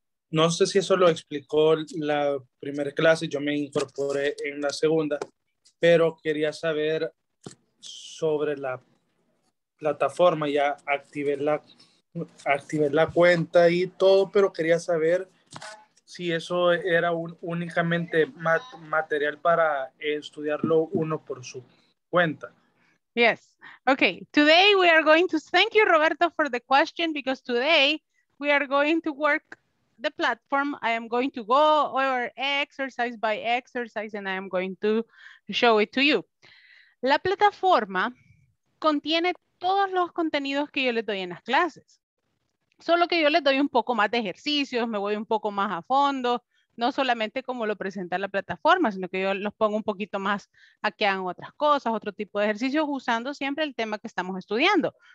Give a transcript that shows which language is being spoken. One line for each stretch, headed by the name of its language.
Spanish: No sé si eso lo explicó la primera clase, yo me incorporé en la segunda, pero quería saber sobre la plataforma. Ya activé la cuenta y todo, pero quería saber si eso era únicamente material para estudiarlo uno por su cuenta.
English: Yes. Okay. Today we are going to thank you, Roberto, for the question, because today we are going to work the platform. I am going to go over exercise by exercise and I am going to show it to you.
Spanish: La plataforma contiene todos los contenidos que yo les doy en las clases. Solo que yo les doy un poco más de ejercicios, me voy un poco más a fondo, no solamente como lo presenta la plataforma, sino que yo los pongo un poquito más a que hagan otras cosas, otro tipo de ejercicios, usando siempre el tema que estamos estudiando.